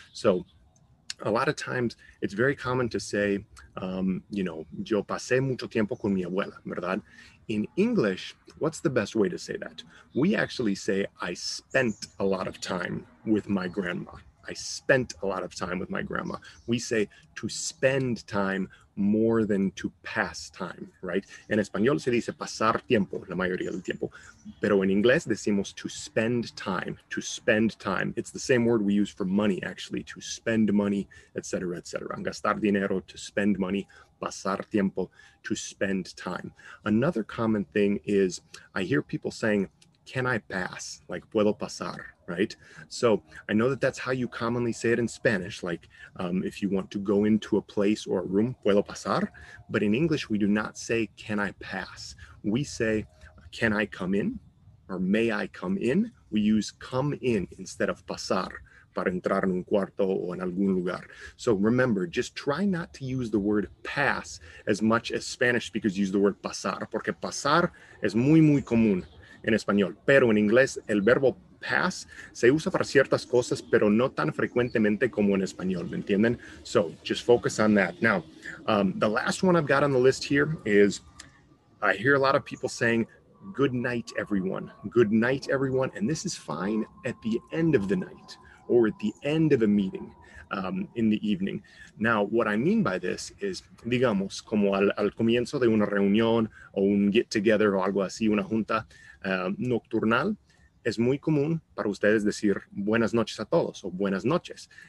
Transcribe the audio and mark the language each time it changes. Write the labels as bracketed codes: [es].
[en] So a lot of times it's very common to say, yo pasé mucho tiempo con mi abuela, ¿verdad? In English, what's the best way to say that? We actually say, I spent a lot of time with my grandma. I spent a lot of time with my grandma. We say to spend time more than to pass time, right? [es] En español se dice pasar tiempo, la mayoría del tiempo. [en] Pero en inglés decimos to spend time, to spend time. It's the same word we use for money, actually, to spend money, et cetera, et cetera. Gastar dinero, to spend money, pasar tiempo, to spend time. Another common thing is I hear people saying, can I pass? Like, puedo pasar, right? So I know that that's how you commonly say it in Spanish. Like, if you want to go into a place or a room, puedo pasar. But in English, we do not say, can I pass? We say, can I come in? Or may I come in? We use come in instead of pasar. [es] Para entrar en un cuarto o en algún lugar. [en] So remember, just try not to use the word pass as much as Spanish speakers use the word pasar, porque pasar es muy, muy común en español. [es] Pero en inglés, el verbo pass se usa para ciertas cosas, pero no tan frecuentemente como en español, ¿me entienden? [en] So just focus on that. Now, the last one I've got on the list here is, I hear a lot of people saying, good night, everyone. Good night, everyone. And this is fine at the end of the night, or at the end of a meeting in the evening. [es] Now, what I mean by this is, digamos, como al comienzo de una reunión o un get-together o algo así, una junta nocturnal, es muy común para ustedes decir buenas noches a todos o buenas noches.